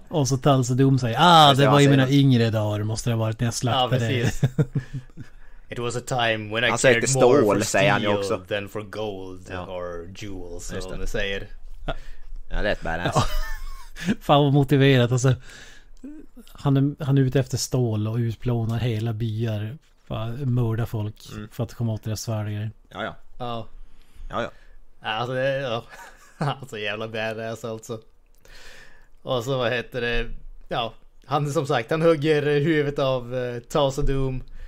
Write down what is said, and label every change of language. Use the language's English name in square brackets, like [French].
[Swedish] Och så Tulsa Doom säger, ah, det var ju mina yngre dagar, måste det ha varit när jag slaktade dig. [English] It was a time when I cared more for steel than for gold or jewels, [Swedish] som han säger. Ja, det är ett badass. Fan vad motiverat, alltså. Han är ute efter stål och utplånar hela byar för att mörda folk för att komma åt deras svärdgrejer. Ja. Alltså, det är, alltså jävla badass alltså. Och så, vad heter det, ja, han som sagt, han hugger huvudet av Tulsa Doom.